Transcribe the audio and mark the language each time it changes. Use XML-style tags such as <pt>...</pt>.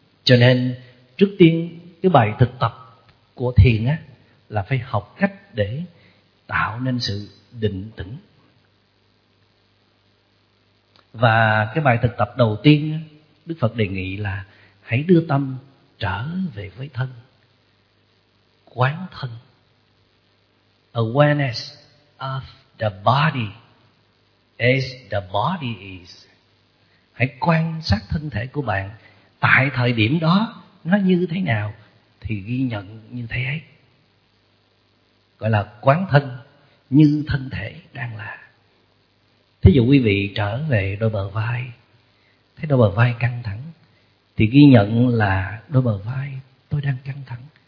<vi>Cho nên trước tiên cái bài thực tập của thiền á, là phải học cách để tạo nên sự định tĩnh. Và cái bài thực tập đầu tiên á, Đức Phật đề nghị là hãy đưa tâm trở về với thân, quán thân.</vi> <en>Awareness of the body as the body is.</en> <vi>Hãy quan sát thân thể của bạn tại thời điểm đó nó như thế nào thì ghi nhận như thế ấy. Gọi là quán thân như thân thể đang là. Thí dụ quý vị trở về đôi bờ vai, thấy đôi bờ vai căng thẳng thì ghi nhận là đôi bờ vai tôi đang căng thẳng.</vi>